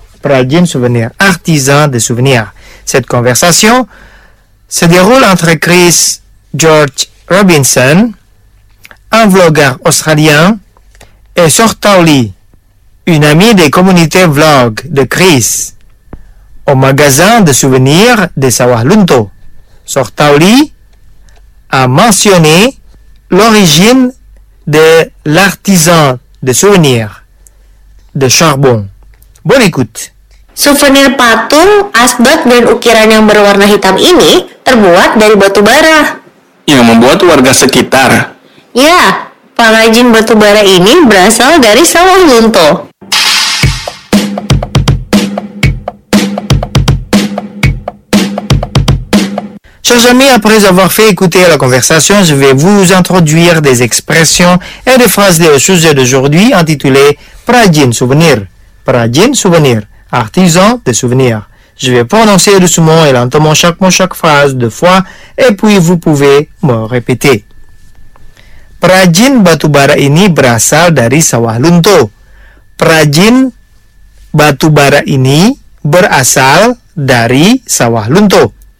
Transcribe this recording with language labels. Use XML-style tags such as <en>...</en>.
<fr>Prajin Souvenir, artisan de souvenirs. Cette conversation se déroule entre Chris George Robinson, un vlogueur australien, et Sortali, une amie des communautés vlog de Chris, au magasin de souvenirs de Sawahlunto. Sortali a mentionné l'origine de l'artisan de souvenirs de charbon. Bonne écoute.</fr> <id>Souvenir patung, asbak dan ukiran yang berwarna hitam ini terbuat dari batu bara. Yang membuat warga sekitar. Ya, pengrajin batu bara ini berasal dari Sawahlunto.</id> <fr>Chers amis, après avoir fait écouter la conversation, je vais vous introduire des expressions et des phrases liées au sujet d'aujourd'hui intitulé Prajin Souvenir. Prajin Souvenir, artisan de souvenirs. Je vais prononcer doucement et lentement chaque mot, chaque phrase deux fois et puis vous pouvez me répéter.</fr> <id>Prajin Batubara ini berasal dari Sawahlunto. Prajin Batubara ini berasal dari Sawahlunto.</id>